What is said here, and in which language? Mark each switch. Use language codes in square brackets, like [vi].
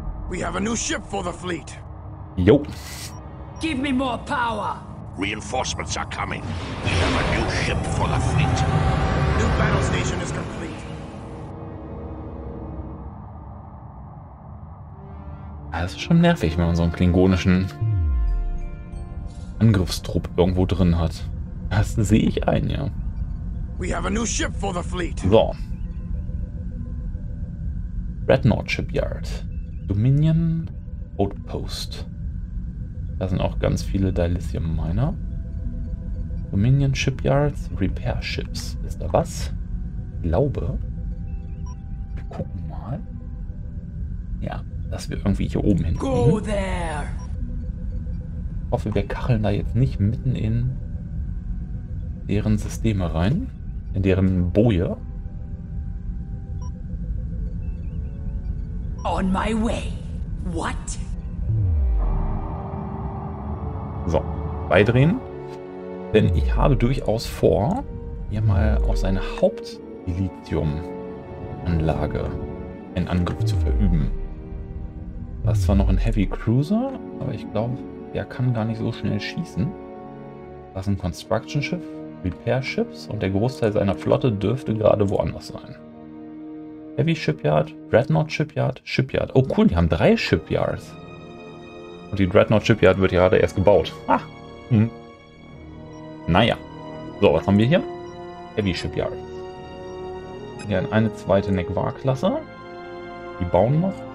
[en] We have a new ship for the fleet. Yo. Give me more power. Reinforcements are coming. We have a new ship for the fleet. New battle station is complete. [de] Das ist schon nervig, wenn man so einen klingonischen Angriffstrupp irgendwo drin hat. Das sehe ich ein, ja. [en] We have a new ship for the fleet. So. Rednaught Shipyard. Dominion Outpost. [de] Da sind auch ganz viele Dilithium Miner. [en] Dominion Shipyards, Repair Ships. [de] Ist da was? Glaube. Wir gucken mal. Ja, dass wir irgendwie hier oben hin. Ich hoffe, wir kacheln da jetzt nicht mitten in deren Systeme rein. In deren Boje. [en] On my way. What? [de] So, beidrehen. Denn ich habe durchaus vor, mir mal auf seine Haupt-Dilithium-Anlage einen Angriff zu verüben. Das war noch ein Heavy Cruiser, aber ich glaube, der kann gar nicht so schnell schießen. Das ist ein Construction Schiff, Repair Ships und der Großteil seiner Flotte dürfte gerade woanders sein. Heavy Shipyard, Dreadnought Shipyard, Shipyard. Oh cool, die haben drei Shipyards. Und die Dreadnought Shipyard wird gerade erst gebaut. Ah! Hm. Naja. So, was haben wir hier? Heavy Shipyard. Wir haben eine zweite Nekvar-Klasse. Die bauen noch.